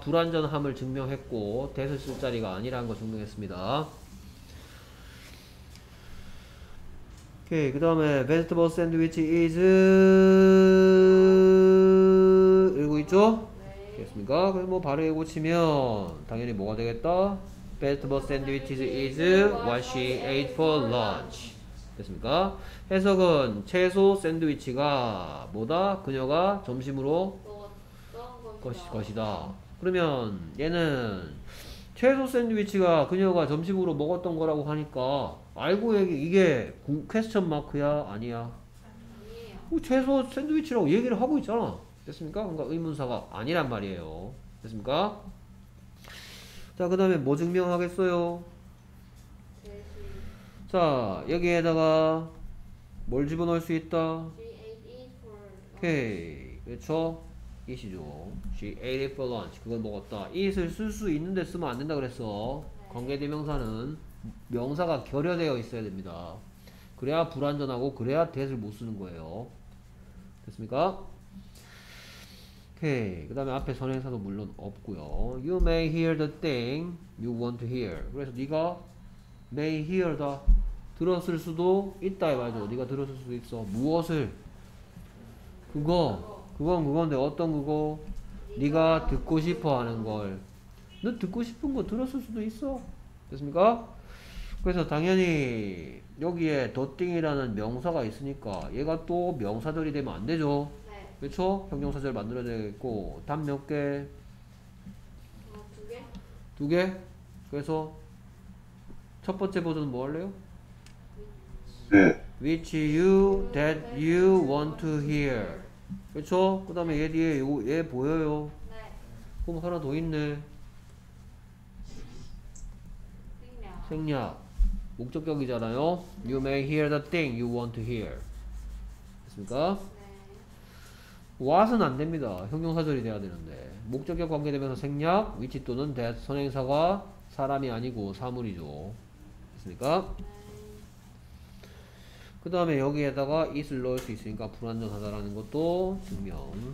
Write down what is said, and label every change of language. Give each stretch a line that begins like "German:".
Korean: 불완전함을 증명했고 대서 쓸 자리가 아니라는 걸 증명했습니다. 오케이. 그 다음에
English: vegetable sandwich is
Korean: 읽고 있죠? 됐습니까? 그럼 뭐 바르게 고치면 당연히 뭐가 되겠다?
English: vegetable sandwich is what she ate for lunch.
Korean: 됐습니까? 해석은 채소 샌드위치가 뭐다? 그녀가 점심으로 것이다. 그러면 얘는 채소 샌드위치가 그녀가 점심으로 먹었던 거라고 하니까 알고 얘기 이게 퀘스천 마크야 아니야? 아니에요. 채소 샌드위치라고 얘기를 하고 있잖아. 됐습니까? 그러니까 의문사가 아니란 말이에요. 됐습니까? 자, 그 다음에 뭐 증명하겠어요? 자, 여기에다가 뭘 집어넣을 수 있다?
English: She ate it for lunch.
Korean: 오케이. 그쵸? It이죠.
English: She ate it for lunch.
Korean: 그걸 먹었다. It을 쓸 수 있는데 쓰면 안 된다 그랬어. 네. 관계대명사는 명사가 결여되어 있어야 됩니다. 그래야 불완전하고 그래야 that을 못 쓰는 거예요. 됐습니까? 오케이. 그 다음에 앞에 선행사도 물론 없고요.
English: You may hear the thing you want to hear.
Korean: 그래서 네가
English: may hear the
Korean: 들었을 수도 있다 이 말이죠. 네가 들었을 수도 있어. 무엇을? 그거. 그건 그건데 어떤 그거? 네가 듣고 싶어 하는 걸. 너 듣고 싶은 거 들었을 수도 있어. 됐습니까? 그래서 당연히 여기에 the thing이라는 명사가 있으니까 얘가 또 명사절이 되면 안 되죠. 그렇죠? 형용사절 만들어야 되겠고 답 몇 개? 두 개? 두 개? 그래서 첫 번째 버전은 뭐 할래요?
English: Which you that you want to hear.
Korean: 그렇죠? 그 다음에 얘 뒤에 요, 얘 보여요? 네. 그럼 하나 더 있네. 생략. 목적격이잖아요. 네.
English: You may hear the thing you want to hear.
Korean: 됐습니까? What은 안 됩니다. 형용사절이 돼야 되는데. 목적격 관계되면서 생략, which 또는 that 선행사가 사람이 아니고 사물이죠. 됐습니까? 그 다음에 여기에다가 it을 넣을 수 있으니까 불완전하다라는 것도 증명.